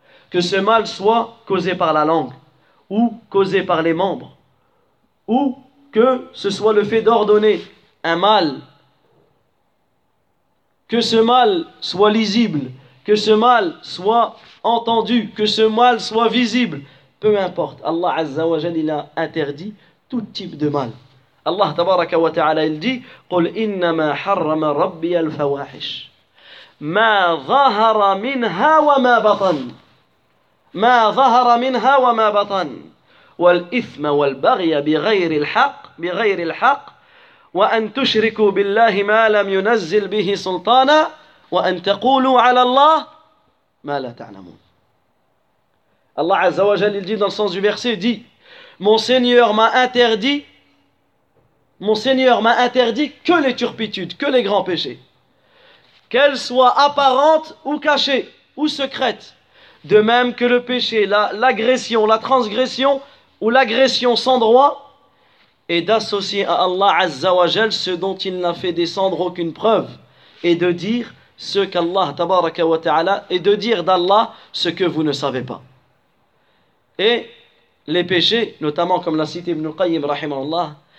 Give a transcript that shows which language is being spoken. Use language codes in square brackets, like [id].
[fr] Que ce mal soit causé par la langue ou causé par les membres ou que ce soit le fait d'ordonner un mal. Que ce mal soit lisible, que ce mal soit entendu, que ce mal soit visible. Peu importe, Allah Azza wa Jal, il a interdit tout type de mal. [ar] Allah Tabaraka wa Ta'ala, [fr] il dit [ar] قُلْ إِنَّمَا حَرَّمَ رَبِّيَ الْفَوَاحِشِ مَا ظَهَرَ مِنْهَا وَمَا بَطَنْ مَا ظَهَرَ مِنْهَا وَمَا بَطَنْ وَالْإِثْمَ وَالْبَغْيَ بِغَيْرِ الْحَقِّ وَأَنْ تُشْرِكُوا بِاللَّهِ مَا لَمْ يُنَزِّلْ بِهِ سُلْطَانًا وَأَنْ تَقُولُوا عَلَى اللَّهِ مَا لَا تَعْلَمُونَ. [fr] Allah Azza wa Jal, il dit dans le sens du verset, il dit « Mon Seigneur m'a interdit que les turpitudes, que les grands péchés, qu'elles soient apparentes ou cachées ou secrètes, de même que le péché, l'agression, la transgression ou l'agression sans droit, et d'associer à Allah Azza wa Jal ce dont il n'a fait descendre aucune preuve, et de dire ce qu'Allah, tabaraka wa ta'ala, et de dire d'Allah ce que vous ne savez pas. » Et les péchés, notamment comme l'a cité Ibn al-Qayyim, rahimahullah,